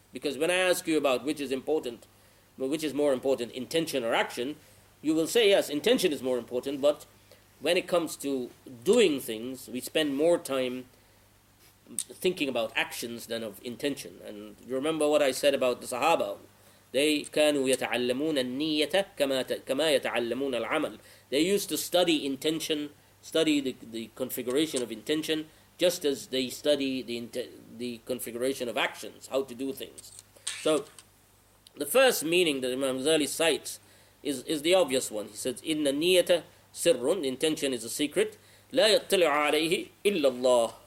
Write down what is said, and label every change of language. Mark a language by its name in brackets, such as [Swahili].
[English] Because when I ask you about which is more important, intention or action, you will say, yes, intention is more important, but when it comes to doing things, we spend more time thinking about actions than of intention. And you remember what I said about the Sahaba? They [Arabic] كانوا يتعلمون النية كما يتعلمون العمل. [English] They used to study intention, study the configuration of intention, just as they study the configuration of actions, how to do things. So the first meaning that Imam Ghazali cites is the obvious one. He says, [Arabic] إن النية سر, [English] intention is a secret, [Arabic] لا يطلع عليه إلا الله.